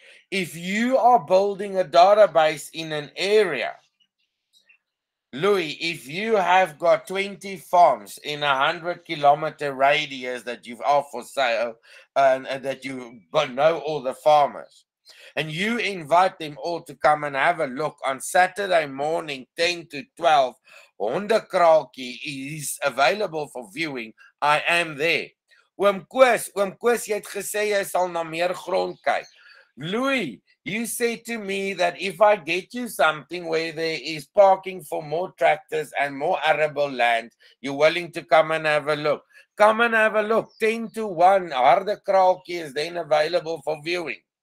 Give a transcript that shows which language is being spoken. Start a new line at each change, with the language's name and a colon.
English: If you are building a database in an area, Louis, if you have got 20 farms in a 100-kilometer radius that you've offered for sale and that you know all the farmers, and you invite them all to come and have a look on Saturday morning, 10 to 12, Hondekraakie is available for viewing, I am there.
Afrikaans: Oom Koos, jy het gesê jy sal na meer grond kyk.
English: Louis, you said to me that if I get you something where there is parking for more tractors and more arable land, you're willing to come and have a look. Come and have a look. 10 to 1, Harde Kraalkie is then available for viewing.